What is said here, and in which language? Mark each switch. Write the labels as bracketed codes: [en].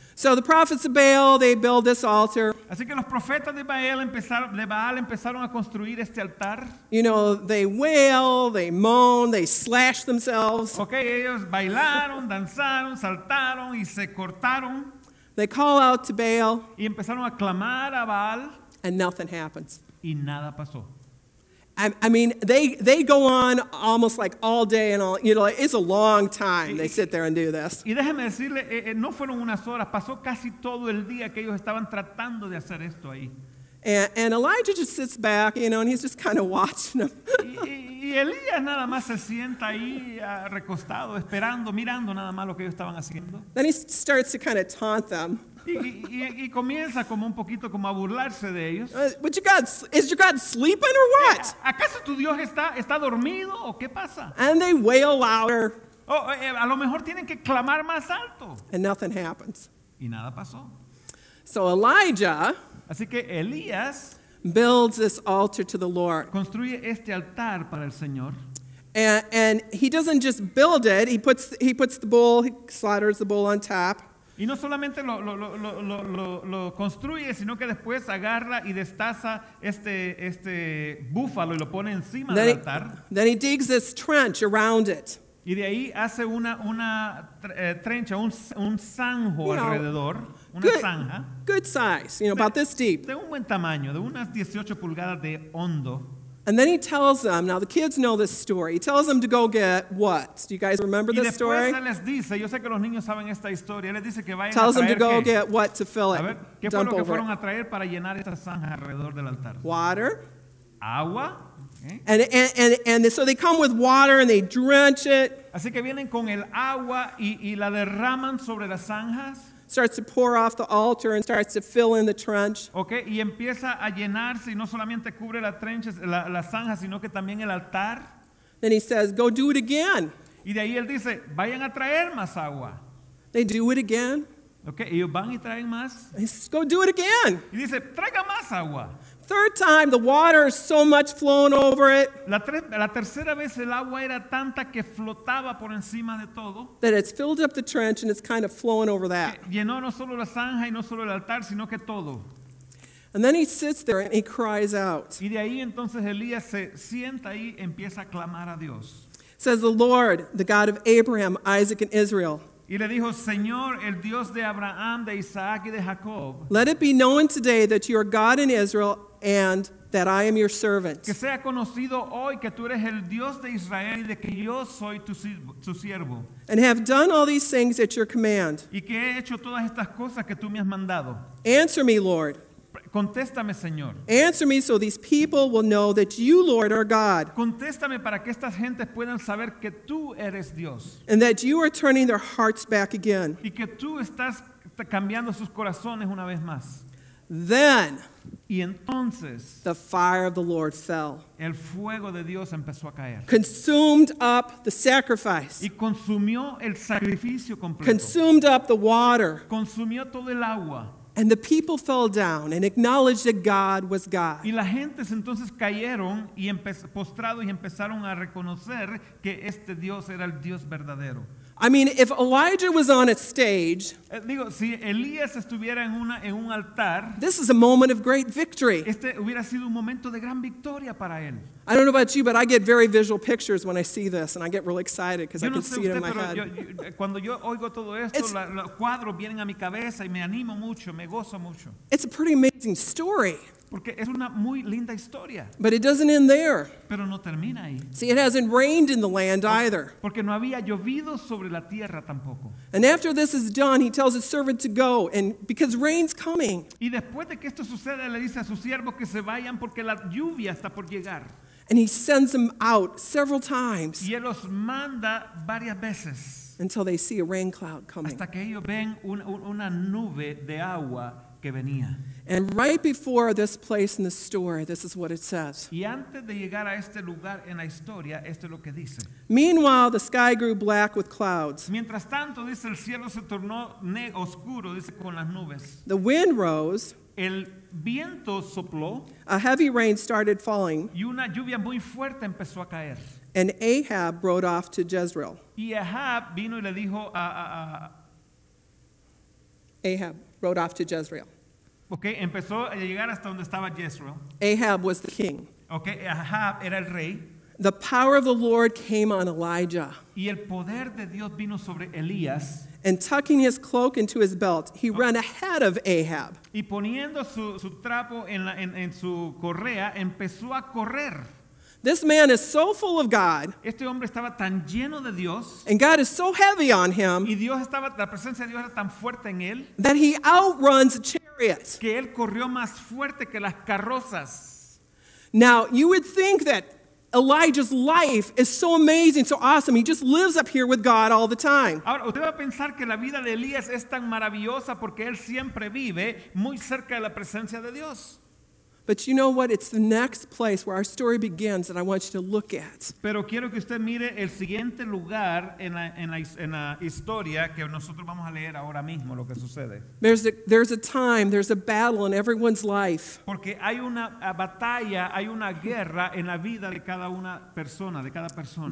[en] So the prophets of Baal, they build this altar. [es] Así que los profetas de Baal empezaron a construir este altar. [en] You know, they wail, they moan, they slash themselves. [es] Okay, ellos bailaron, danzaron, saltaron y se cortaron. [en] They call out to Baal. [es] Y empezaron a clamar a Baal. [en] And nothing happens. [es] Y nada pasó. [en] I mean, they go on almost like all day and all. You know, it's a long time they sit there and do this. [es] Y déjeme decirle, no fueron unas horas. Pasó casi todo el día que ellos estaban tratando de hacer esto ahí. [en] And Elijah just sits back, you know, and he's just kind of watching them. [es] Y Elías nada más se sienta ahí recostado, esperando, mirando nada más lo que ellos estaban haciendo. [en] Then he starts to kind of taunt them. [es] Y comienza como un poquito como a burlarse de ellos. [en] But is your God sleeping or what? [es] ¿Acaso tu Dios está dormido o qué pasa? [en] And they wail louder. [es] Oh, a lo mejor tienen que clamar más alto. [en] And nothing happens. [es] Y nada pasó. [en] So Elijah. [es] Así que Elías [en] builds this altar to the Lord. [es] Construye este altar para el Señor. [en] And he doesn't just build it. He puts the bull. He slaughters the bull on top. [es] Y no solamente lo construye, sino que después agarra y destaza este búfalo y lo pone encima del altar. [en] Then he digs this trench around it. [es] Y de ahí hace una trencha, un zanjo alrededor, una zanja. [en] Good size, you know, about this deep. [es] De un buen tamaño, de unas 18 pulgadas de hondo. [en] And then he tells them, now the kids know this story. He tells them to go get what? Do you guys remember this story? Tells them to go get what to fill it. Dump over it. Water. Agua. And so they come with water and they drench it. [es] Así que vienen con el agua y la derraman sobre las zanjas. [en] Starts to pour off the altar and starts to fill in the trench. [es] Okay, y empieza a llenarse y no solamente cubre la trench, la zanja, sino que también el altar. [en] Then he says, go do it again. [es] Y de ahí él dice, vayan a traer más agua. [en] They do it again. [es] Okay, ellos van y traen más. [en] He says, go do it again. [es] Y dice, traiga más agua. [en] Third time, the water is so much flown over it. [es] La tercera vez el agua era tanta que flotaba por encima de todo. [en] That it's filled up the trench and it's kind of flowing over that. [es] Llenó no solo la zanja y no solo el altar, sino que todo. [en] And then he sits there and he cries out. [es] Y de ahí entonces Elías se sienta ahí y empieza a clamar a Dios. [en] Says the Lord, the God of Abraham, Isaac, and Israel. [es] Y le dijo, Señor, el Dios de Abraham, de Isaac y de Jacob. [en] Let it be known today that you are God in Israel and that I am your servant. [es] Que sea conocido hoy que tú eres el Dios de Israel y de que yo soy tu siervo. [en] And have done all these things at your command. [es] Y que he hecho todas estas cosas que tú me has mandado. [en] Answer me, Lord. [es] Contéstame, Señor. [en] Answer me so these people will know that you, Lord, are God. [es] Contéstame para que estas gentes puedan saber que tú eres Dios. [en] And that you are turning their hearts back again. [es] Y que tú estás cambiando sus corazones una vez más. [en] Then, [es] y entonces, [en] the fire of the Lord fell. [es] El fuego de Dios empezó a caer. [en] Consumed up the sacrifice. [es] Y consumió el sacrificio completo. [en] Consumed up the water. [es] Consumió todo el agua. [en] And the people fell down and acknowledged that God was God. [es] Y la gente entonces cayeron y postrados y empezaron a reconocer que este Dios era el Dios verdadero. [en] I mean, if Elijah was on a stage, [es] digo, si Elías estuviera en un altar, [en] this is a moment of great victory. [es] Este hubiera sido un momento de gran victoria para él. [en] I don't know about you, but I get very visual pictures when I see this, and I get really excited because I can see it in my head. [es] Cuando yo oigo todo esto, los cuadros vienen a mi cabeza y me animo mucho, me gozo mucho. [en] It's a pretty amazing story. [es] Porque es una muy linda historia. [en] But it doesn't end there. [es] Pero no termina ahí. [en] See, it hasn't rained in the land either. [es] Porque no había llovido sobre la tierra tampoco. [en] And after this is done, he tells his servant to go, and because rain's coming. [es] Y después de que esto suceda, le dice a sus siervos que se vayan porque la lluvia está por llegar. [en] And he sends them out several times. [es] Y él los manda varias veces. [en] Until they see a rain cloud coming. [es] Hasta que ellos ven una nube de agua. [en] And right before this place in the story, this is what it says. [es] Y antes de llegar a este lugar en la historia, esto es lo que dice. [en] Meanwhile, the sky grew black with clouds. [es] Mientras tanto, dice, el cielo se tornó oscuro, dice, con las nubes. [en] The wind rose. [es] El viento sopló. [en] A heavy rain started falling. [es] Y una lluvia muy fuerte empezó a caer. [en] And Ahab rode off to Jezreel. [es] Y Ahab vino y le dijo a [en] Ahab. Rode off to Jezreel. [es] Okay, empezó a llegar hasta donde estaba Jezreel. [en] Ahab was the king. [es] Okay, Ahab era el rey. [en] The power of the Lord came on Elijah. [es] Y el poder de Dios vino sobre Elías. [en] And tucking his cloak into his belt, he ran ahead of Ahab. [es] Y poniendo su trapo en su correa, empezó a correr. [en] This man is so full of God. [es] Este hombre estaba tan lleno de Dios. [en] And God is so heavy on him. [es] Y Dios estaba, la presencia de Dios era tan fuerte en él. [en] That he outruns a chariot. [es] Que él corrió más fuerte que las carrozas. [en] Now, you would think that Elijah's life is so amazing, so awesome. He just lives up here with God all the time. [es] Ahora, usted va a pensar que la vida de Elías es tan maravillosa porque él siempre vive muy cerca de la presencia de Dios. [en] But you know what? It's the next place where our story begins that I want you to look at. [es] Pero quiero que usted mire el siguiente lugar en la historia que nosotros vamos a leer ahora mismo lo que sucede. [en] There's a time, there's a battle in everyone's life. [es] Porque hay una batalla, hay una guerra en la vida de cada una persona, de cada persona.